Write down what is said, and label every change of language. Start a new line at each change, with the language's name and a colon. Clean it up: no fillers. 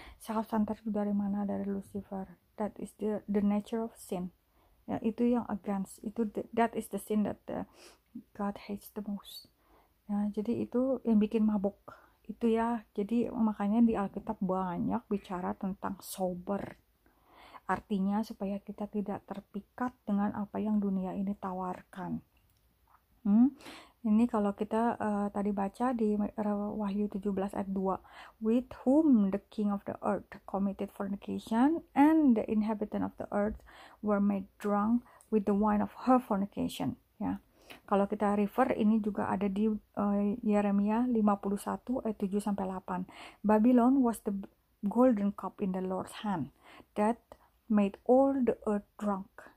Indonesian: Self-center itu dari mana, dari Lucifer,
English: that is the nature of sin ya,
Indonesian: itu yang against itu,
English: that is the sin that God hates the most ya.
Indonesian: Jadi itu yang bikin mabuk itu ya, jadi makanya di Alkitab banyak bicara tentang sober, artinya supaya kita tidak terpikat dengan apa yang dunia ini tawarkan. Ini kalau kita tadi baca di Wahyu 17 ayat 2,
English: with whom the king of the earth committed fornication and the inhabitant of the earth were made drunk with the wine of her fornication ya.
Indonesian: Kalau kita refer, ini juga ada di Yeremia 51 ayat 7 sampai 8.
English: Babylon was the golden cup in the Lord's hand that made all the earth drunk.